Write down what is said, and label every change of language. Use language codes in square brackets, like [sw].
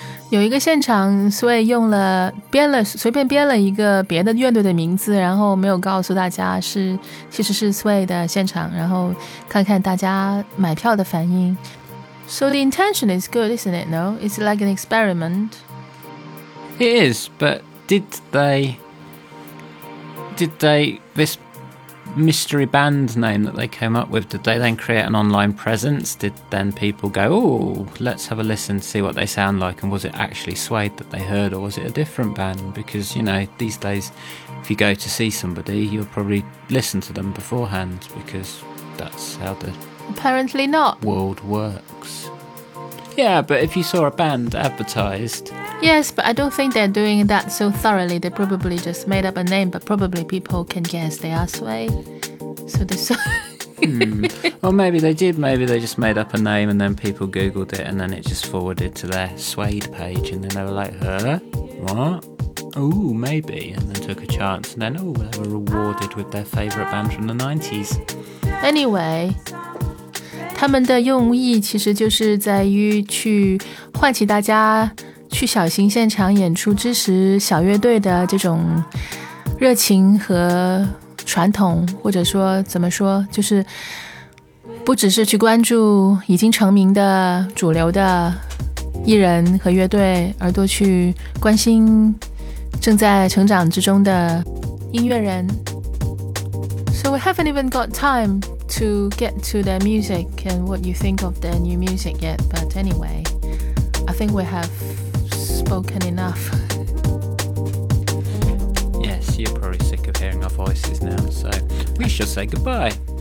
[zh] 有一个现场所以用了编了随便编了一个别的乐队的名字，然后没有告诉大家是其实是 Sway 的现场，然后看看大家买票的反应。 [en] So the intention is good, isn't it? No, it's like an experiment It is, but did they, this mystery band name that they came up with, did they then create an online presence? Did then people go, oh, let's have a listen, see what they sound like, and was it actually Suede that they heard, or was it a different band? Because, you know, these days, if you go to see somebody, you'll probably listen to them beforehand, because that's how the Apparently not. world works. Yeah, but if you saw a band advertised... Yes, but I don't think they're doing that so thoroughly. They probably just made up a name, but probably people can guess they are Sway. So they saw... Well, maybe they did. Maybe they just made up a name and then people Googled it and then it just forwarded to their Suede page and then they were like, huh? What? Ooh, maybe. And then took a chance and then, ooh, they were rewarded with their favourite band from the 90s. Anyway... [zh] 他们的用意其实就是在于去唤起大家去小型现场演出支持小乐队的这种热情和传统，或者说怎么说，就是不只是去关注已经成名的主流的艺人和乐队，而多去关心正在成长之中的音乐人。 [en] So we haven't even got timeTo get to their music and what you think of their new music yet, but anyway, I think we have spoken enough. Yes, you're probably sick of hearing our voices now, so we shall say goodbye.